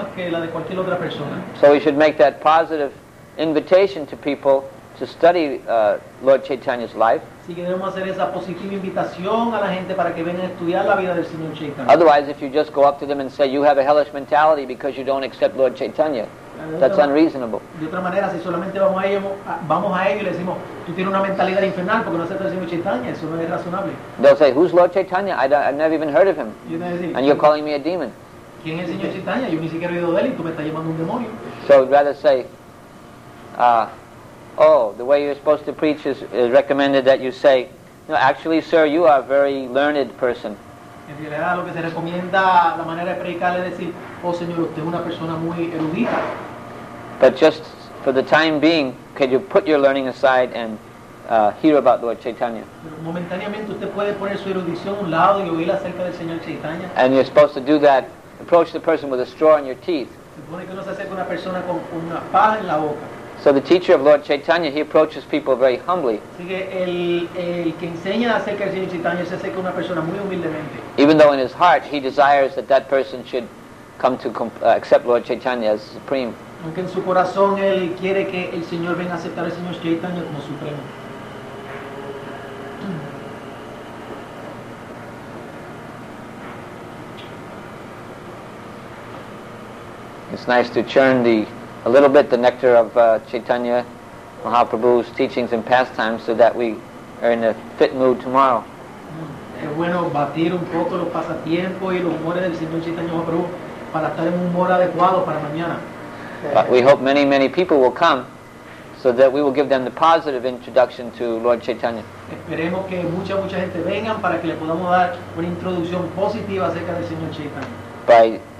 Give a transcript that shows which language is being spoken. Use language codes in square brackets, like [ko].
[en] So we should make that positive invitation to people to study Lord Chaitanya's life. Otherwise, if you just go up to them and say, you have a hellish mentality because you don't accept Lord Chaitanya, that's unreasonable. [es] De otra manera, si solamente vamos a ellos y le decimos, tú tienes una mentalidad infernal porque no aceptas el Señor Chaitanya, eso no es razonable. [en] They'll say, who's Lord Chaitanya? I've never even heard of him. [es] Decir, [en] and you're calling me a demon. [es] ¿Quién es el Señor Chaitanya? Yo ni siquiera he oído de él y tú me estás llamando un demonio. [en] So I'd rather say, the way you're supposed to preach is recommended that you say, no, actually, sir, you are a very learned person. [es] En realidad, lo que se recomienda, la manera de predicar es decir, oh, señor, usted es una persona muy erudita. [en] But just for the time being, could you put your learning aside and hear about Lord Chaitanya? [es] Momentáneamente usted puede poner su erudición a un lado y oír acerca del Señor Chaitanya. [en] And you're supposed to do that, approach the person with a straw in your teeth. [es] Supone que uno se acerca a una persona con una paja en la boca. [en] So the teacher of Lord Chaitanya, he approaches people very humbly. Even though in his heart he desires that that person should come to accept Lord Chaitanya as supreme. It's nice to churn a little bit the nectar of Chaitanya Mahaprabhu's teachings and pastimes so that we are in a fit mood tomorrow. [es] Es bueno batir un poco los pasatiempos y los humores del Señor Chaitanya Mahaprabhu para estar en un humor adecuado para mañana. [en] But we hope many, many people will come so that we will give them the positive introduction to Lord Chaitanya. [es] Esperemos que mucha, mucha gente vengan para que le podamos dar una introducción positiva acerca del Señor Chaitanya.